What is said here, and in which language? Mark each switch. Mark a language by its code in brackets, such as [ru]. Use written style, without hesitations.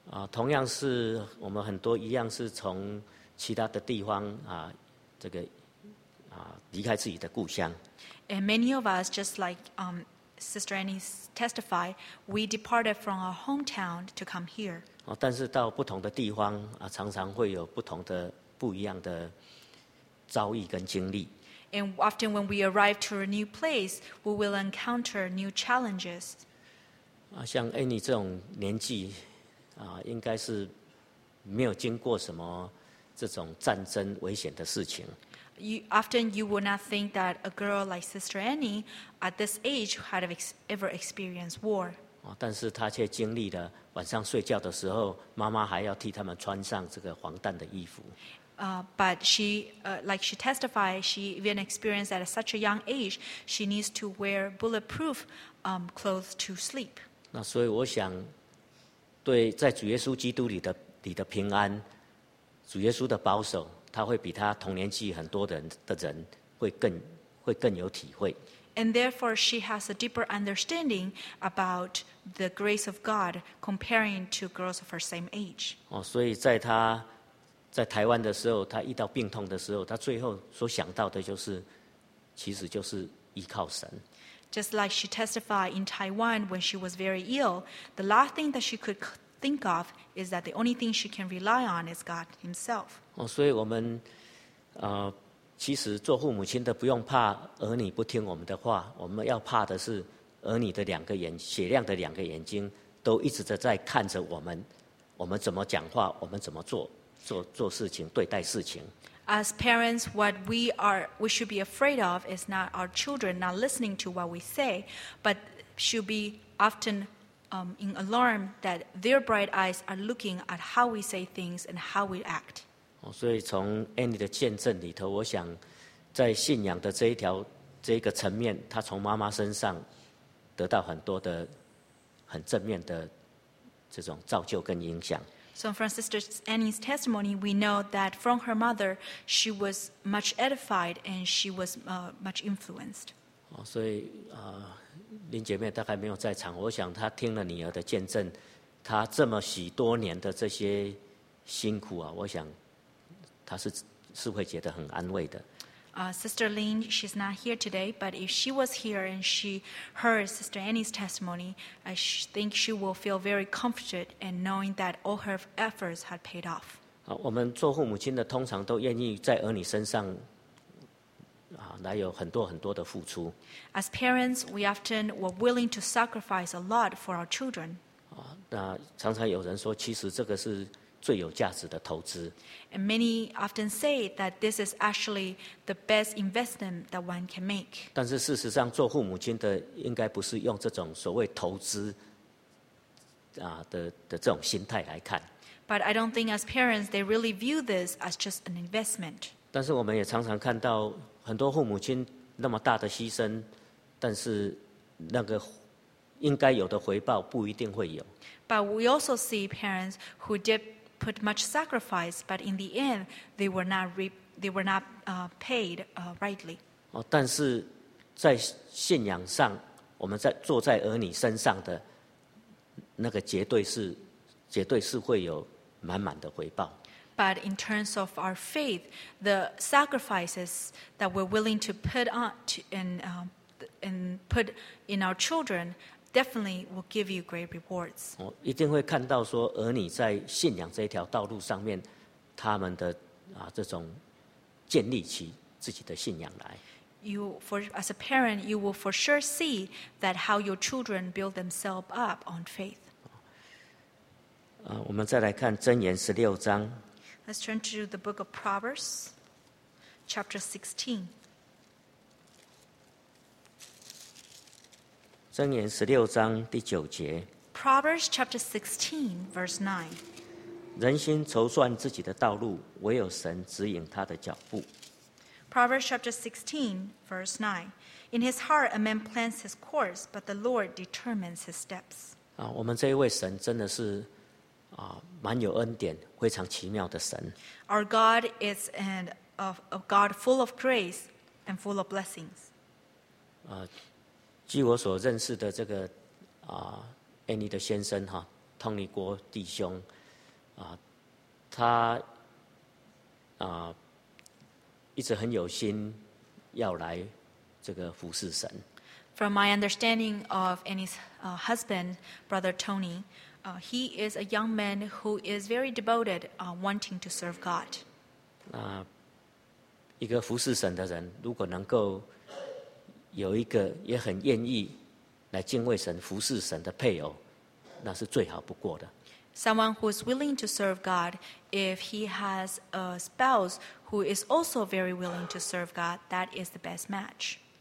[zh] 同样是我们很多一样是从其他的地方这个离开自己的故乡。 [en] And many of us, just like Sister Annie testified, we departed from our hometown to come here. [zh] 但是到不同的地方，常常会有不同的、不一样的遭遇跟经历。 [en] And often when we arrive to a new place, we will encounter new challenges. [zh] 像 Annie 这种年纪，应该是没有经过什么这种战争危险的事情。 [en] You would not think that a girl like Sister Annie at this age had ever experienced war. [zh] 但是她却经历了晚上睡觉的时候，妈妈还要替他们穿上这个防弹的衣服。 [en] But she, like she testified, she even experienced that at such a young age, she needs to wear bulletproof clothes to sleep. [zh] 那所以我想，对在主耶稣基督里的平安，主耶稣的保守。他会比他同年纪很多的人会更有体会。 [en] And therefore, she has a deeper understanding about the grace of God comparing to girls of her same age. [zh] 所以在他在台湾的时候，他遇到病痛的时候，他最后所想到的就是，其实就是依靠神。 [en] Just like she testified in Taiwan when she was very ill, the last thing that she could think of is that the only thing she can rely on is God Himself. [zh] 所以我们其实做父母亲的不用怕儿女不听我们的话，我们要怕的是儿女的两个眼雪亮的两个眼睛都一直在看着我们，我们怎么讲话，我们怎么做事情，对待事情。 [en] As parents, what we should be afraid of is not our children not listening to what we say, but should be often. In alarm that their bright eyes are looking at how we say things and how we act. [zh] 所以从 Annie 的见证里头，我想在信仰的这一个层面，她从妈妈身上得到很多的很正面的这种造就跟影响。 [en] So from Sister Annie's testimony, we know that from her mother, she was much edified and she was much influenced. [zh] 所以林姐妹大概没有在场，我想她听了女儿的见证，她这么许多年的这些辛苦啊，我想她是会觉得很安慰的。 [en] Sister Lin, she's not here today, but if she was here and she heard Sister Annie's testimony, I think she will feel very comforted and knowing that all her efforts had paid off. [zh] 我们做父母亲的通常都愿意在儿女身上来有很多很多的付出。 [en] As parents, we often were willing to sacrifice a lot for our children. [zh] 那常常有人说，其实这个是最有价值的投资。 [en] And many often say that this is actually the best investment that one can make. [zh] 但是事实上，做父母亲的应该不是用这种所谓投资的这种心态来看。 [en] But I don't think as parents they really view this as just an investment. [zh] 但是我们也常常看到很多父母亲那么大的牺牲，但是那个应该有的回报不一定会有。 [en] But we also see parents who did put much sacrifice, but in the end, they were not paid rightly. [zh] 但是在信仰上，我们在坐在儿女身上的那个绝对是会有满满的回报。 [en] But in terms of our faith, the sacrifices that we're willing to put on and put in our children. Definitely will give you great rewards. [zh] 我一定会看到说，儿女在信仰这条道路上面，他们的这种建立起自己的信仰来。 [en] As a parent, you will for sure see that how your children build themselves up on faith. [zh] 我们再来看箴言十六章。 [en] Let's turn to the book of Proverbs, chapter 16. [zh] 箴言十六章第九节。 [en] Proverbs chapter 16, verse 9. [zh] 人心筹算自己的道路，唯有神指引他的脚步。 [en] Proverbs chapter 16, verse 9. In his heart a man plans his course, but the Lord determines his steps. [zh] 我们这一位神真的是蛮有恩典，非常奇妙的神。 [en] Our God is a God full of grace and full of blessings. [zh] 据我所认识的这个Annie 的先生哈，汤尼郭弟兄他一直很有心要来这个服侍神。 [en] From my understanding of Annie's husband, Brother Tony, he is a young man who is very devoted, wanting to serve God. [zh] 一个服侍神的人，如果能够有一个也很愿意来敬畏神、服侍神的配偶，那是最好不过的。 [en] Someone who is willing to serve God, if he has a spouse who is also very willing to serve God, that is the best match.